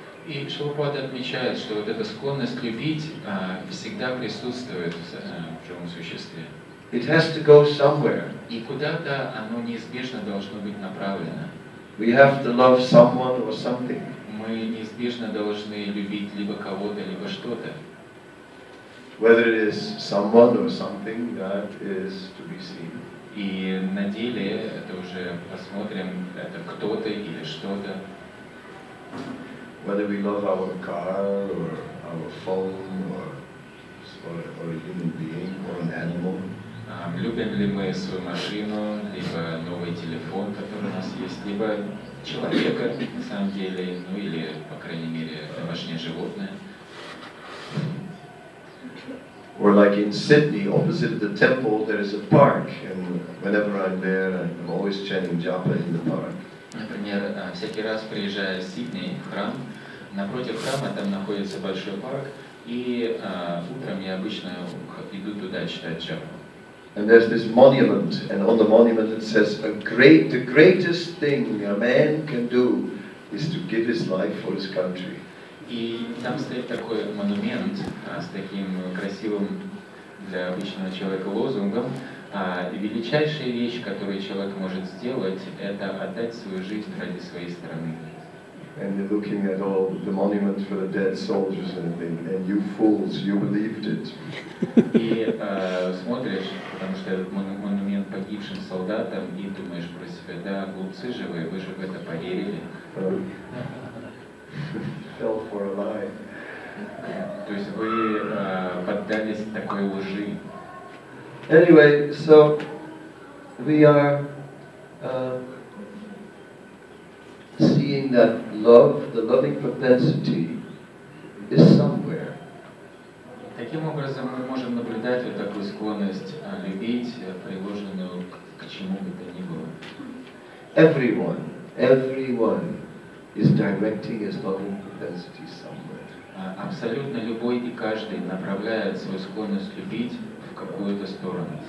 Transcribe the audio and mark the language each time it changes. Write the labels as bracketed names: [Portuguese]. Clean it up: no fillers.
[Russian] И Шрила Прабхупада отмечает, что вот эта склонность любить всегда присутствует в живом существе. [English] It has to go somewhere. [Russian] И куда-то оно неизбежно должно быть направлено. [English] We have to love someone or something. [Russian] Мы неизбежно должны любить либо кого-то, либо что-то. [English] Whether it is someone or something, that is to be seen. [Russian] И на деле это уже посмотрим, это кто-то или что-то. [English] Whether we love our car or our phone or a human being or an animal. [Russian] Любим ли мы свою машину, либо новый телефон, который у нас есть, либо человека, на самом деле, ну или, по крайней мере, домашнее животное. [English] Or like in Sydney, opposite the temple, there is a park, and whenever I'm there, I'm always chanting japa in the park. [Russian] Например, всякий раз приезжая в Сидней, в храм, напротив храма там находится большой парк, и утром я обычно иду туда читать джапу. [English] And there's this monument, and on the monument it says, the greatest thing a man can do is to give his life for his country. [Russian] И там стоит такой монумент с таким красивым для обычного человека лозунгом. Величайшая вещь, которую человек может сделать, это отдать свою жизнь ради своей страны. [English] And they're looking at all the monument for the dead soldiers and you fools, you believed it. [Russian] И смотришь, потому что этот монумент погибшим солдатам, и думаешь про себя, да, глупцы живые, вы же в это поверили. [English] Fell for a lie. [Russian] То есть вы поддались такой лжи. [English] Anyway, so we are seeing that love, the loving propensity, is somewhere. [Russian] Таким образом, мы можем наблюдать вот такую склонность любить, приложенную к чему бы то ни было. [English] Everyone is directing his loving propensity somewhere. [Russian] Абсолютно любой и каждый направляет свою склонность любить в какую-то сторону.